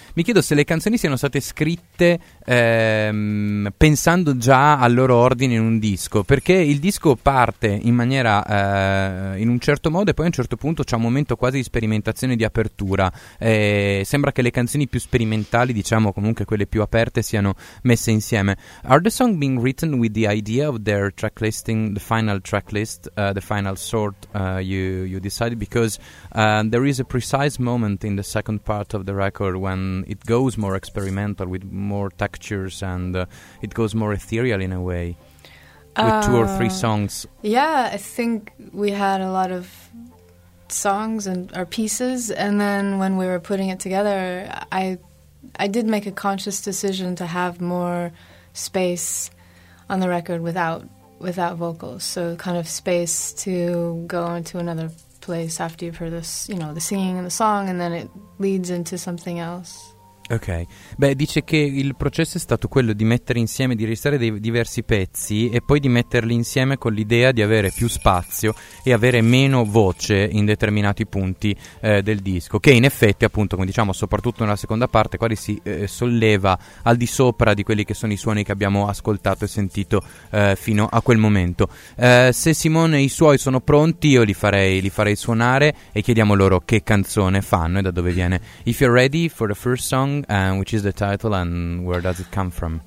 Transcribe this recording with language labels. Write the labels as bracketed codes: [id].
[it] Mi chiedo se le canzoni siano state scritte pensando già al loro ordine in un disco, perché il disco parte in maniera in un certo modo e poi a un certo punto c'è un momento quasi di sperimentazione, di apertura. Sembra che le canzoni più sperimentali, diciamo comunque quelle più aperte, siano messe insieme. [en] Are the song being written with the idea of their track listing, the final track list, the final sort you decided? Because there is a precise moment in the second part of the record when it goes more experimental with more textures and it goes more ethereal in a way, with two or three songs. Yeah, I think we had a lot of songs and our pieces, and then when we were putting it together, I did make a conscious decision to have more space on the record without vocals, so kind of space to go into another place after you've heard this, you know, the singing and the song, and then it leads into something else. [it] Ok, beh, dice che il processo è stato quello di mettere insieme, di registrare dei diversi pezzi e poi di metterli insieme con l'idea di avere più spazio e avere meno voce in determinati punti del disco, che in effetti appunto, come diciamo, soprattutto nella seconda parte quasi si solleva al di sopra di quelli che sono i suoni che abbiamo ascoltato e sentito fino a quel momento. Se Simone e i suoi sono pronti, io li farei suonare e chiediamo loro che canzone fanno e da dove viene. [en] If you're ready for the first song, which is the title and where does it come from?